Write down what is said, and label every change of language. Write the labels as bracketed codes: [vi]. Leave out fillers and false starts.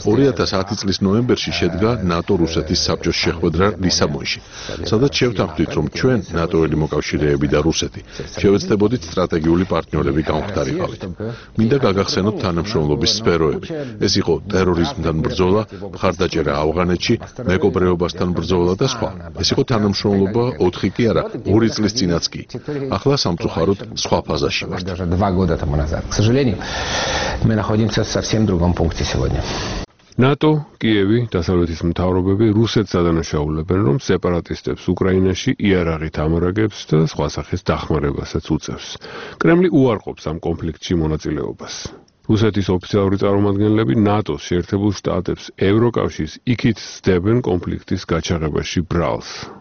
[ka] 2010 წლის ნოემბერში შედგა ნატო რუსეთის საბჭოს შეხვედრა ლისაბონში, სადაც შევთანხმდით, რომ ჩვენ ნატოელი მოკავშირეები და რუსეთი შევეცდებოდით სტრატეგიული პარტნიორები გამხდარიყავით. მინდა გაგახსენოთ თანამშრომლობის სფეროები. ეს იყო ტერორიზმთან ბრძოლა, მხარდაჭერა ავღანეთში, მეკობრეობასთან ბრძოლა და სხვა. ეს იყო თანამშრომლობა 4 კი არა, 2 წლის წინაც კი. ახლა სამწუხაროდ სხვა ფაზაში ვართ. [ru] 2 года тому назад, к сожалению, мы находимся в совсем другом пункте сегодня. [ka] НАТО, Киеви, დასავლეთის მთავრობები რუსეთს ადანაშაულებენ, რომ სეპარატისტებს უკრაინაში იარაღით ამარაგებს და სხვა სახის დახმარებასაც უწევს. კრემლი უარყოფს ამ კონფლიქტში მონაწილეობას. რუსეთის ოფიციალური წარმომადგენლები ნატოს, შეერთებულ შტატებს, ევროკავშირს იქით სდებენ კონფლიქტის გაჩაღებაში ბრალს.